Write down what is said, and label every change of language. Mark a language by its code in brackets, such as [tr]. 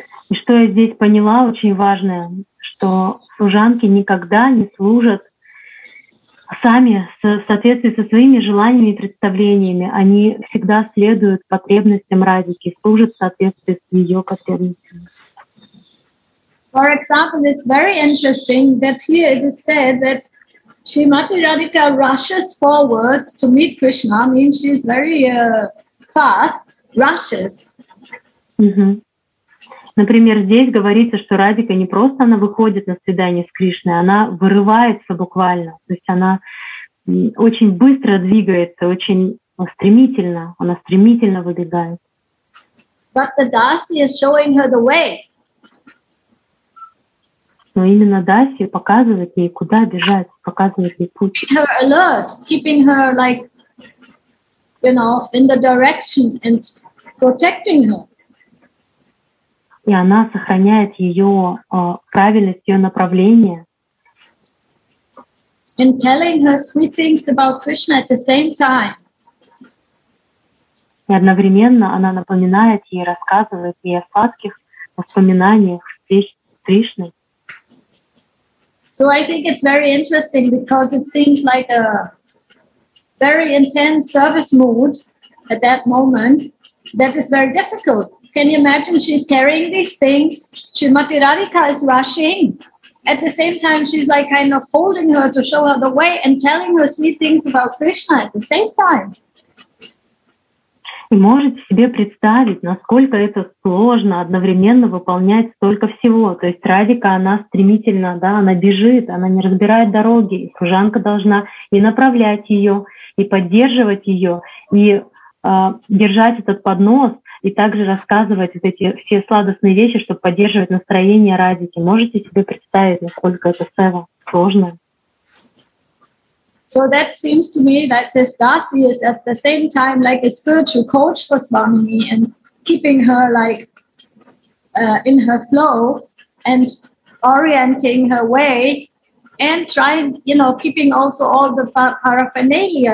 [ru] И что я здесь поняла, очень важное, что служанки никогда не служат сами в соответствии со своими желаниями и представлениями. Они всегда следуют потребностям Радики, служат в соответствии с ее потребностями. [en] For example, it's very interesting that here it is said that Srimati Radhika rushes forward to meet Krishna, means she is very fast, rushes. [ru] Например, здесь говорится, что Радика не просто она выходит на свидание с Кришной, она вырывается буквально. То есть она очень быстро двигается, очень стремительно, она стремительно выбегает. [en] But the Dasi is showing her the way. [ru] Но именно Даси показывает ей, куда бежать, показывает ей путь. [en] Keeping her alert, keeping her like, you know, in the direction and protecting her. [ru] И она сохраняет ее правильность, ее направление. [en] And telling her sweet things about Krishna at the same time. [ru] И одновременно она напоминает ей, рассказывает ей о сладких воспоминаниях встреч с Кришной. [en] So I think it's very interesting because it seems like a very intense service mood at that moment that is very difficult. Can you imagine she's carrying these things? Srimati Radhika is rushing. At the same time, she's like kind of holding her to show her the way and telling her sweet things about Krishna at the same time. [ru] И можете себе представить, насколько это сложно одновременно выполнять столько всего. То есть Радика, она стремительно, да, она бежит, она не разбирает дороги. И служанка должна и направлять ее, и поддерживать ее, и держать этот поднос, и также рассказывать вот эти все сладостные вещи, чтобы поддерживать настроение Радики. Можете себе представить, насколько это сева сложно? [en] So that seems to me that this Dasi is at the same time like a spiritual coach for Swami and keeping her like in her flow and orienting her way and trying, you know, keeping also all the paraphernalia.